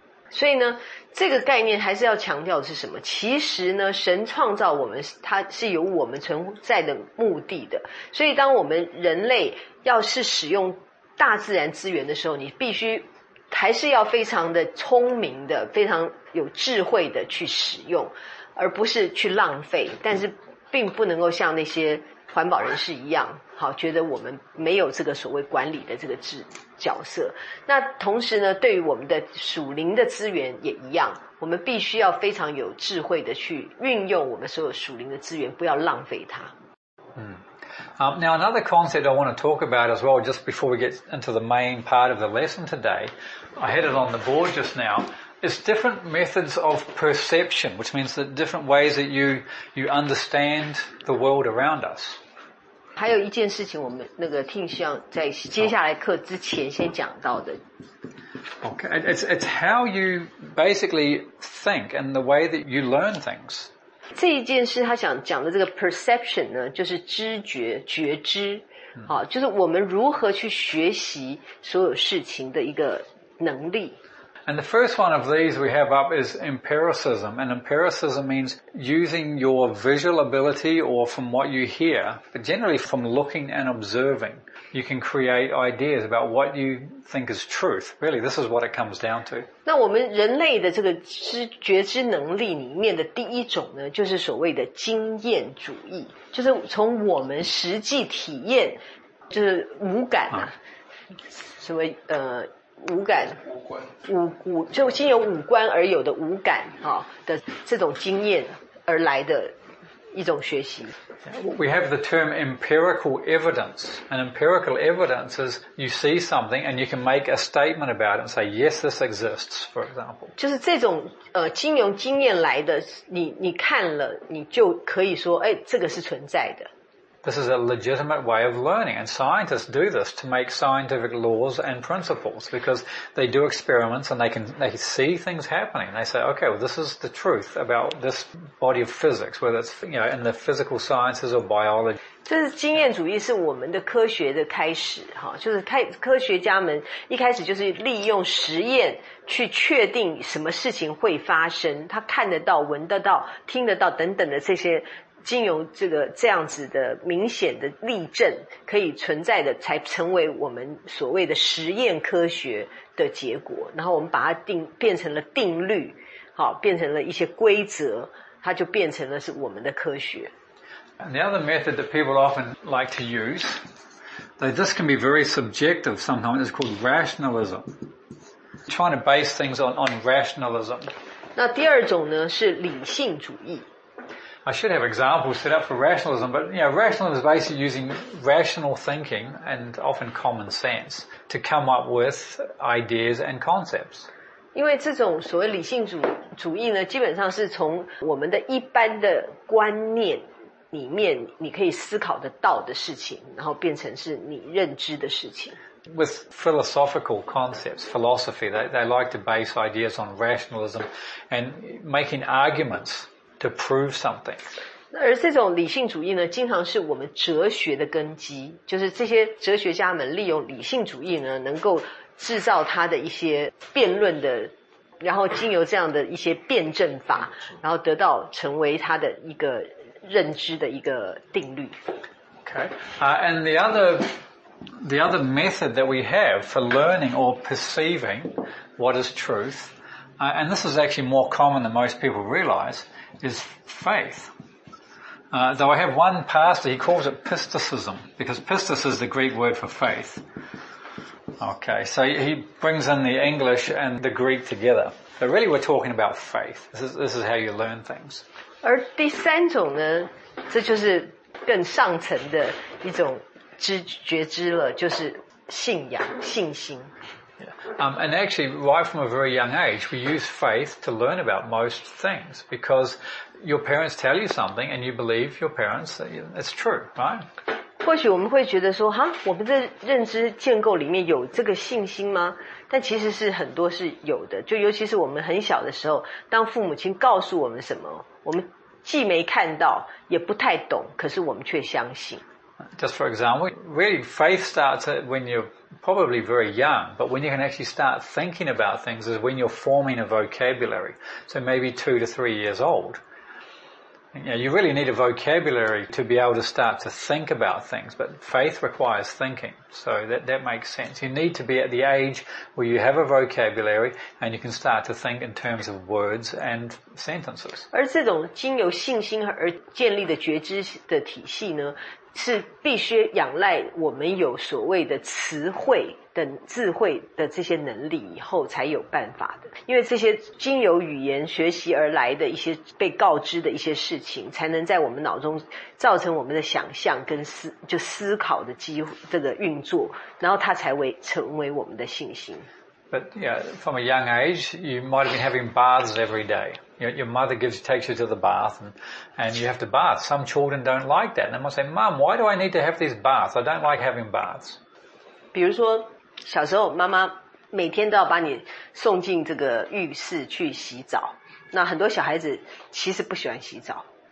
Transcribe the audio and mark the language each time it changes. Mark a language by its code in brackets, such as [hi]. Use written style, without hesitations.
[zh] 所以呢，这个概念还是要强调的是什么？其实呢，神创造我们，它是有我们存在的目的的。所以当我们人类要是使用大自然资源的时候，你必须还是要非常的聪明的，非常有智慧的去使用，而不是去浪费。但是并不能够像那些环保人士一样，好，觉得我们没有这个所谓管理的这个角色。那同时呢，对于我们的属灵的资源也一样，我们必须要非常有智慧的去运用我们所有属灵的资源，不要浪费它。 [en] Now another concept I want to talk about as well, just before we get into the main part of the lesson today, I had it on the board just now, is different methods of perception, which means the different ways that you understand the world around us. [zh] 还有一件事情我们那个听希望在接下来课之前先讲到的。 [en] Okay, it's how you basically think and the way that you learn things. [zh] 这一件事他想讲的这个 perception 呢，就是知觉、觉知，好，就是我们如何去学习所有事情的一个能力。 [en] And the first one of these we have up is empiricism. And empiricism means using your visual ability or from what you hear, but generally from looking and observing, you can create ideas about what you think is truth. Really, this is what it comes down to. [zh] 那我们人类的这个觉知能力里面的第一种呢，就是所谓的经验主义，就是从我们实际体验，就是五感啊，什么五感五就经由五官而有的五感哈、哦、的这种经验而来的一种学习。 [en] We have the term empirical evidence. And empirical evidence is you see something and you can make a statement about it and say, yes, this exists, for example. [zh] 就是这种经由经验来的，你看了你就可以说，哎，这个是存在的。 [en] This is a legitimate way of learning, and scientists do this to make scientific laws and principles because they do experiments and they see things happening. They say, okay, well, this is the truth about this body of physics, whether it's, you know, in the physical sciences or biology. [zh] 这是经验主义，是我们的科学的开始，哈，就是科学家们一开始就是利用实验去确定什么事情会发生，他看得到、闻得到、听得到等等的这些。经由这个这样子的明显的例证可以存在的，才成为我们所谓的实验科学的结果，然后我们把它变成了定律，好，变成了一些规则，它就变成了是我们的科学。 [en] And the other method that people often like to use Now, this can be very subjective sometimes. It's called rationalism. Trying to base things on rationalism. [zh] 那第二种呢是理性主义。 [en] I should have examples set up for rationalism, but you know, rationalism is basically using rational thinking and often common sense to come up with ideas and concepts. [zh] 因为这种所谓理性主义呢，基本上是从我们的一般的观念里面，你可以思考得到的事情，然后变成是你认知的事情。 [en] With philosophical concepts, philosophy, they like to base ideas on rationalism and making arguments to prove something. [zh] 而这种理性主义呢，经常是我们哲学的根基，就是这些哲学家们利用理性主义呢，能够制造他的一些辩论的，然后经由这样的一些辩证法，然后得到成为他的一个认知的一个定律。 [en] Okay, and the other method that we have for learning or perceiving what is truth, and this is actually more common than most people realize, is faith. Though I have one pastor, he calls it pistis-ism, because pistis is the Greek word for faith. Okay, so he brings in the English and the Greek together. But really we're talking about faith. This is how you learn things. [zh] 而第三种呢，这就是更上层的一种觉知了，就是信仰、信心。 [en] Yeah. And actually, right from a very young age, we use faith to learn about most things because your parents tell you something and you believe your parents, it's true, right? [zh] 或许我们会觉得说，哈，我们的认知建构里面有这个信心吗？但其实是很多是有的，就尤其是我们很小的时候，当父母亲告诉我们什么，我们既没看到，也不太懂，可是我们却相信。 [en] Just for example, really faith starts when you're probably very young, but when you can actually start thinking about things is when you're forming a vocabulary. So maybe 2 to 3 years old. You know, you really need a vocabulary to be able to start to think about things, but faith requires thinking. So that makes sense. You need to be at the age where you have a vocabulary and you can start to think in terms of words and sentences. [zh] 而这种经由信心而建立的觉知的体系呢，是必须仰赖我们有所谓的词汇等智慧的这些能力以后才有办法的，因为这些经由语言学习而来的一些被告知的一些事情，才能在我们脑中造成我们的想象跟思考的机会，这个运作，然后它才会成为我们的信心。 [en] But yeah, from a young age, you might have been having baths every day. Your mother takes you to the bath and you have to bath. Some children don't like that. And they might say, Mom, why do I need to have these baths? I don't like having baths. [zh] 比如说小时候妈妈每天都要把你送进这个浴室去洗澡。那很多小孩子其实不喜欢洗澡。